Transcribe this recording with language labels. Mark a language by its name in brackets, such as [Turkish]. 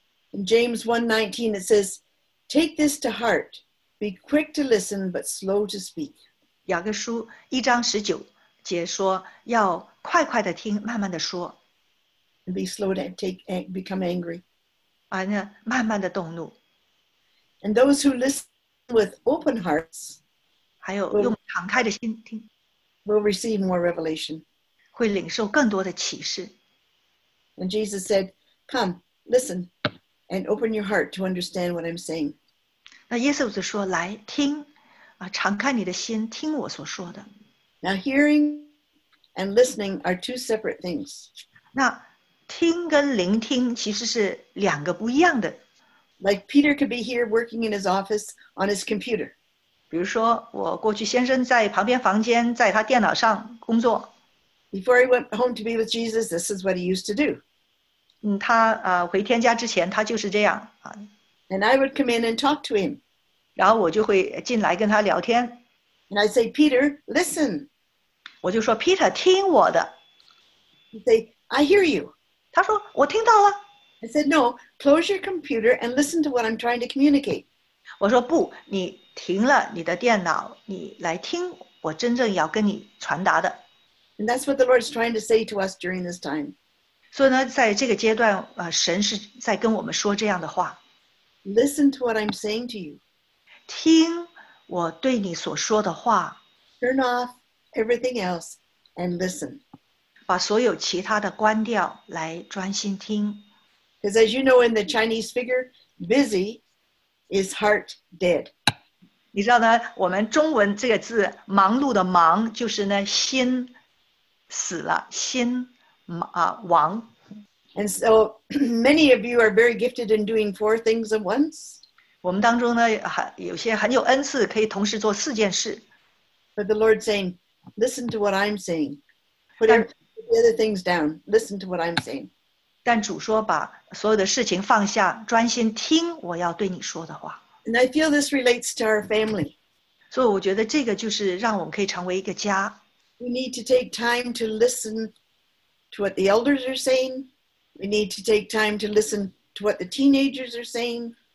[English] In James 1:19 it says, take this to heart, be quick to listen, but slow to speak. [Chinese] 雅各书一章十九, 解说，要快快的听，慢慢的说。 [English] Be slow to take become angry. [Chinese] 啊，那慢慢的动怒。 [English] And those who listen with open hearts, [Chinese] 还有用敞开的心听。 [English] Will receive more revelation. [Chinese] 会领受更多的启示。 [English] And Jesus said, "Come, listen, and open your heart to understand what I'm saying." [Chinese] 那耶稣就说，来听。敞开你的心，听我所说的。 [English] Now, hearing and listening are two separate things. [Chinese] 那听跟聆听其实是两个不一样的。 [English] Like Peter could be here working in his office on his computer. [Chinese] 比如说，我过去先生在旁边房间，在他电脑上工作。 [English] Before he went home to be with Jesus, this is what he used to do. [Chinese] 他回天家之前，他就是这样。 [English] And I would come in and talk to him. [Chinese] 然后我就会进来跟他聊天。 [English] And I say, Peter, listen. [Chinese] 我就说 ,Peter, 听我的。 [English] He say, I hear you. [Chinese] 他说我听到了。 [English] I said, no, close your computer and listen to what I'm trying to communicate. [Chinese] 我说不，你停了你的电脑，你来听我真正要跟你传达的。 [English] And that's what the Lord's trying to say to us during this time. [Chinese] 所以呢，在这个阶段，神是在跟我们说这样的话。 [English] Listen to what I'm saying to you. [Chinese] 听我对你所说的话。 [English] Turn off everything else and listen. [Chinese] 把所有其他的关掉，来专心听。 [English] Because as you know in the Chinese figure, busy is heart dead. [Chinese] 你知道呢，我们中文这个字，忙碌的忙，就是呢，心死了，心亡。 [English] And so many of you are very gifted in doing four things at once. [Chinese] 我们当中呢，有些很有恩赐，可以同时做四件事。 [English] But the Lord saying, listen to what I'm saying. Put the other things down. Listen to what I'm saying. [Chinese] 但主说把所有的事情放下，专心听我要对你说的话。 [English] And I feel this relates to our family. [Chinese] 所以我觉得这个就是让我们可以成为一个家。 [English] We need to take time to listen to what the elders are saying. We need to take time to listen to what the teenagers are saying.